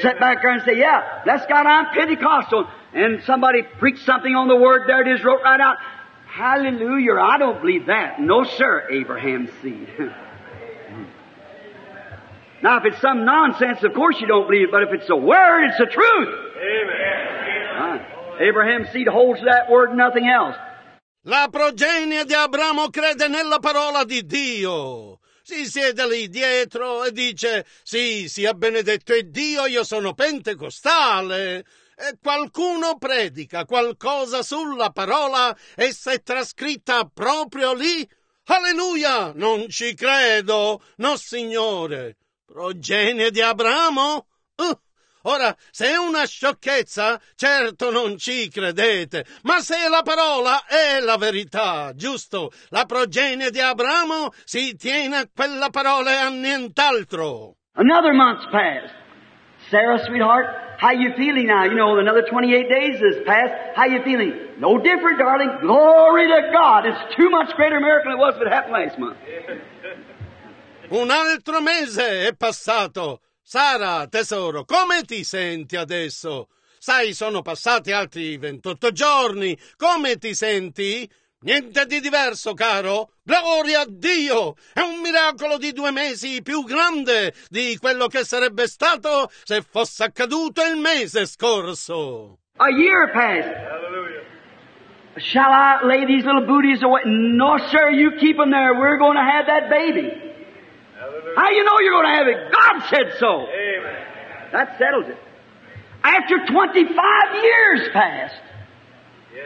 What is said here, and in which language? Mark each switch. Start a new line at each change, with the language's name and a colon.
English: Sit back there and say, yeah, bless God, I'm Pentecostal. And somebody preached something on the word, there it is, wrote right out. Hallelujah, I don't believe that. No, sir, Abraham's seed. Now, if it's some nonsense, of course you don't believe it, but if it's the word, it's the truth. Amen. Abraham's seed holds that word, nothing else.
Italian: La progenie di Abramo crede nella parola di Dio. Si siede lì dietro e dice, sì, sia benedetto Dio, io sono pentecostale. E qualcuno predica qualcosa sulla parola, essa è trascritta proprio lì. Alleluia, non ci credo, no signore. Progenie di Abramo? Ora, se è una sciocchezza, certo non ci credete, ma se la parola è la verità, giusto, la progenie di Abramo si tiene a quella parola e a nient'altro.
English: Another month's passed. Sarah, sweetheart, how you feeling now? You know, another 28 days has passed. How you feeling? No different, darling. Glory to God. It's too much greater miracle than it was that happened last month.
Italian: Un altro mese è passato. Sara, tesoro, come ti senti adesso? Sai, sono passati altri 28 giorni. Come ti senti? Niente di diverso, caro. Gloria a Dio! È un miracolo di 2 mesi più grande di quello che sarebbe stato se fosse accaduto il mese scorso.
English: A year passed. Hallelujah. Shall I lay these little booties away? No, sir, you keep them there. We're going to have that baby. How you know you're going to have it? God said so. Amen. That settles it. After 25 years passed, yes.